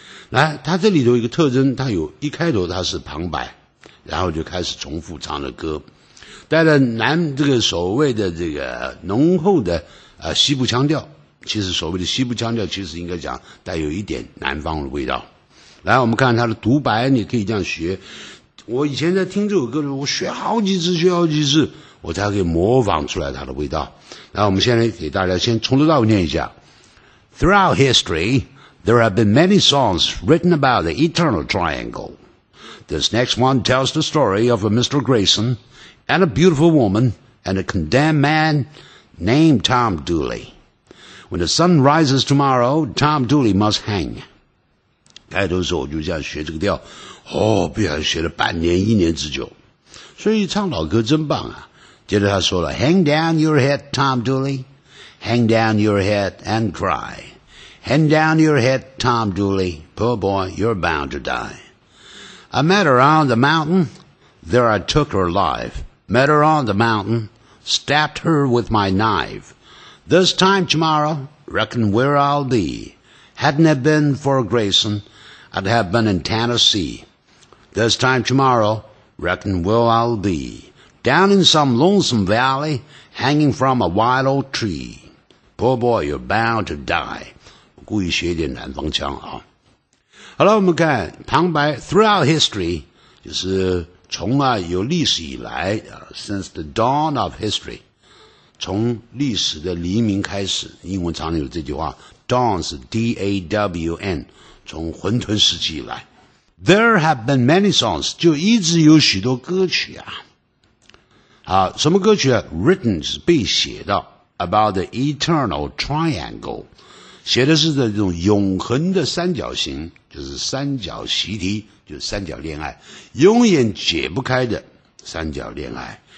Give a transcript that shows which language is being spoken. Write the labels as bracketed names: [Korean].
[Chinese] 来，他这里头一个特征，他有一开头他是旁白，然后就开始重复唱的歌，带着南这个所谓的这个浓厚的西部腔调，其实所谓的西部腔调其实应该讲带有一点南方的味道。来，我们看他的独白，你可以这样学。我以前在听这首歌的时候，我学好几次学好几次我才可以模仿出来它的味道。那我们现在给大家先从头到尾念一下。 [English] Throughout history, there have been many songs written about the Eternal Triangle. This next one tells the story of a Mr. Grayson and a beautiful woman and a condemned man named Tom Dooley. When the sun rises tomorrow, Tom Dooley must hang. [Chinese] 开头的时候我就这样学这个调，哦，不然学了半年一年之久。所以唱老歌真棒啊。接着他说了 [English] Hang down your head, Tom Dooley. Hang down your head and cry. Hang down your head, Tom Dooley. Poor boy, you're bound to die. I met her on the mountain. There I took her alive. Met her on the mountain. Stabbed her with my knife. This time tomorrow, reckon where I'll be. Hadn't it been for Grayson, I'd have been in Tennessee. This time tomorrow, reckon where I'll be. Down in some lonesome valley, hanging from a wild old tree. Poor boy, you're bound to die. [Chinese] 我故意学一点南方腔啊。好了，我们看旁白 [English] Throughout history, [Chinese] 就是从啊有历史以来 [English] since the dawn of history, [Chinese] 从历史的黎明开始，英文常常有这句话 dawn 是 D-A-W-N, 从混沌时期以来。 [English] There have been many songs, [Chinese] 就一直有许多歌曲啊。啊，什么歌曲啊 ？ [English] Written [Chinese] 是被写的 ， [English] about the eternal triangle， [Chinese] 写的是这种永恒的三角形，就是三角习题，就是三角恋爱，永远解不开的三角恋爱。